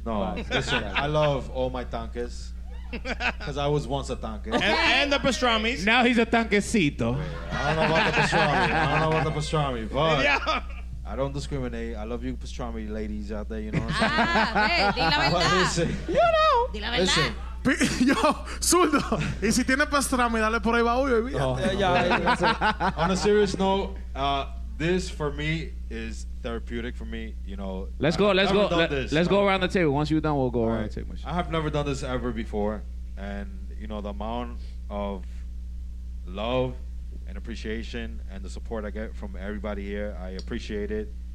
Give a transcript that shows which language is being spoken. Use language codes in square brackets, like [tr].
[en] No, listen, I love all my tanques. Because I was once a tanque. And the pastrami. Now he's a tanquecito. I don't know about the pastrami, but I don't discriminate. I love you pastrami ladies out there, you know what I'm saying? Hey, [es] di la verdad. [en] Listen, you know. [es] Di la verdad. [en] Listen. [es] Yo, zurdo. Y si tiene pastrami, dale por ahí va hoy. [en] On a serious note, this for me is therapeutic for me, you know. Let's go around the table. Once you're done, we'll go around the table. I have never done this ever before, and you know the amount of love and appreciation and the support I get from everybody here, I appreciate it.